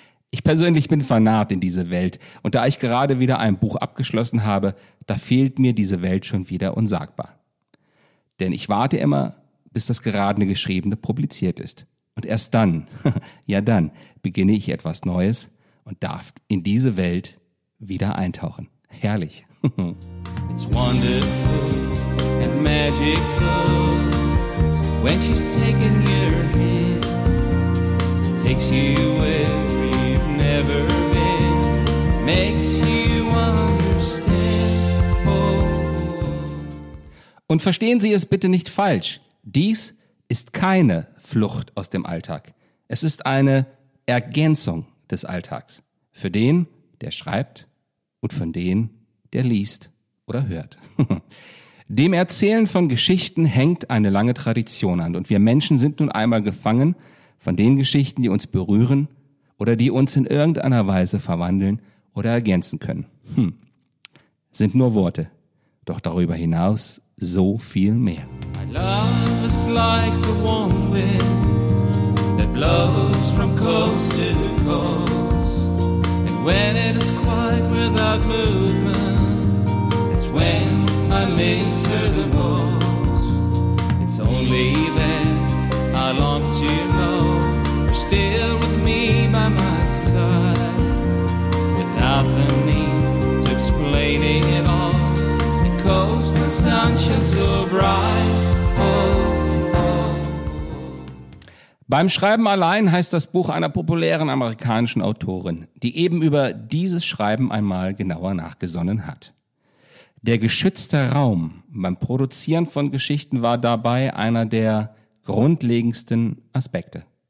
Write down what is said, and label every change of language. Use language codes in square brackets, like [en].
[de] Ich persönlich bin vernarrt in diese Welt und da ich gerade wieder ein Buch abgeschlossen habe, da fehlt mir diese Welt schon wieder unsagbar. Denn ich warte immer, bis das gerade Geschriebene publiziert ist. Und erst dann, ja dann, beginne ich etwas Neues und darf in diese Welt wieder eintauchen. Herrlich. [en] It's wonderful and magical when she's taking your hand. Takes you where you've never been, makes you understand. [de] Und verstehen Sie es bitte nicht falsch. Dies ist keine Flucht aus dem Alltag. Es ist eine Ergänzung des Alltags. Für den, der schreibt und von den, der liest oder hört. Dem Erzählen von Geschichten hängt eine lange Tradition an und wir Menschen sind nun einmal gefangen von den Geschichten, die uns berühren oder die uns in irgendeiner Weise verwandeln oder ergänzen können. Sind nur Worte, doch darüber hinaus so viel mehr. [en] My love is like the warm wind that blows from coast to coast. And when it is quiet without movement, it's when I miss her the most. It's only then I long to know. Still with me by my side, without the need to explain it all, because the sun shines so bright. [de] Beim Schreiben allein heißt das Buch einer populären amerikanischen Autorin, die eben über dieses Schreiben einmal genauer nachgesonnen hat. Der geschützte Raum beim Produzieren von Geschichten war dabei einer der grundlegendsten Aspekte.